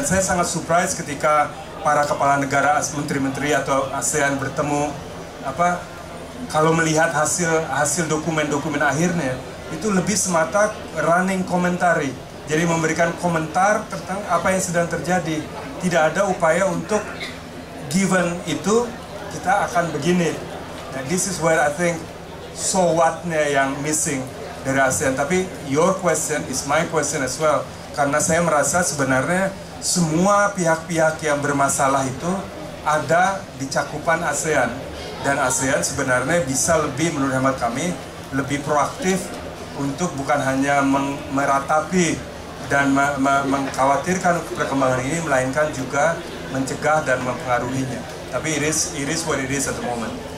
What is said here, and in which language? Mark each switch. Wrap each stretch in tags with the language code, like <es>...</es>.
<id>Dan saya sangat surprise ketika para kepala negara, menteri-menteri atau ASEAN bertemu, apa kalau melihat hasil dokumen-dokumen akhirnya, itu lebih semata running commentary. Jadi memberikan komentar tentang apa yang sedang terjadi. Tidak ada upaya untuk given itu, kita akan begini.</id> <en>Nah, this is where I think so what-nya yang missing dari ASEAN. Tapi your question is my question as well.</en> <id>Karena saya merasa sebenarnya semua pihak-pihak yang bermasalah itu ada di cakupan ASEAN. Dan ASEAN sebenarnya bisa lebih, menurut hemat kami, lebih proaktif untuk bukan hanya meratapi dan mengkhawatirkan perkembangan ini, melainkan juga mencegah dan mempengaruhinya.</id> <en>Tapi it is what it is at the moment.</en>